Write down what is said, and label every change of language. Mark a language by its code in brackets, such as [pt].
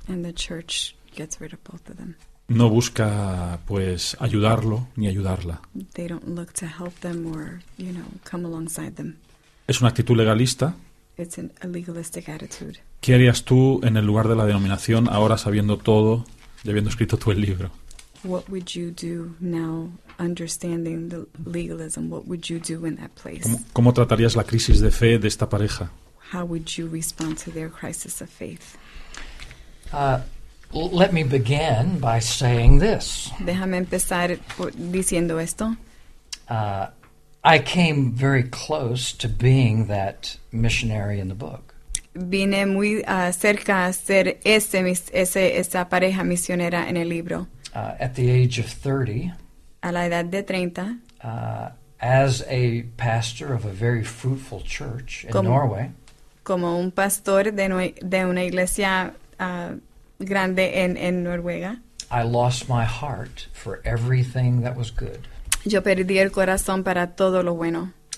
[en] And the church gets rid of both of them. [es] No busca, pues, ayudarlo ni ayudarla. [en] They don't look to help them or, you know, come alongside them. [es] Es una actitud legalista. [en] It's an legalistic attitude. [es] ¿Qué harías tú en el lugar de la denominación ahora sabiendo todo y habiendo escrito tú el libro? [en] What would you do now, understanding the legalism? What would you do in that place? [es] ¿Cómo tratarías la crisis de fe de esta pareja? [en] How would you respond to their crisis of faith? Let me begin by saying this. [es] Déjame empezar diciendo esto. [en] I came very close to being that missionary in the book. [es] Vine muy cerca a ser esa pareja misionera en el libro. [en] At the age of 30. [es] A la edad de 30. [en] As a pastor of a very fruitful church in Norway. [es] Como un pastor de una iglesia grande en Noruega. [en] I lost my heart for everything that was good. [es] Yo perdí el corazón para todo lo bueno.